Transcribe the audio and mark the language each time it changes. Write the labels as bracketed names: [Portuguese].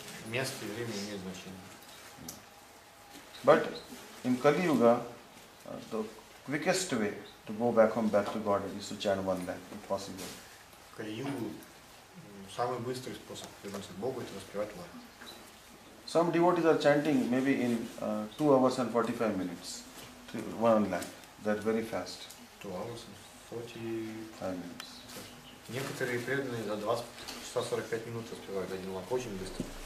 [Russian] Место и время имеют значение. [English] But in Kali Yuga, the quickest way to go back home, back to God, is to chant one lakh, if possible. [Russian] Kali Yuga, самый быстрый способ вернуться к Богу, это воспевать лак. [English] Some devotees are chanting maybe in 2 hours and 45 minutes, one lakh, that very fast. 2 hours and 45 minutes. [Russian] Некоторые преданные за 2 часа 45 минут воспевают один лак, очень быстро.